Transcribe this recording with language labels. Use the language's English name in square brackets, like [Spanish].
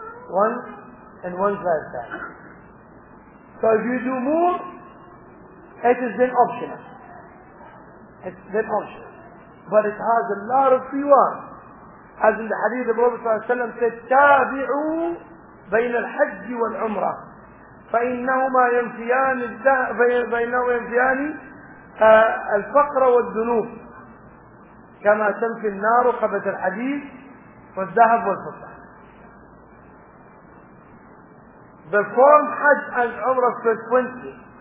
[English] Once in one's lifetime. So if you do more, it is then optional. It's then optional. But it has a lot of rewards. As in the hadith, the Prophet said, [Arabic] تابعوا بين الحج والعمرة. فإنهما ينفيان بينهما ينفيان الفقر والذنوب كما تنفي النار خبز الحديد والذهب والفضة. [English] Perform Hajj and Umrah frequently.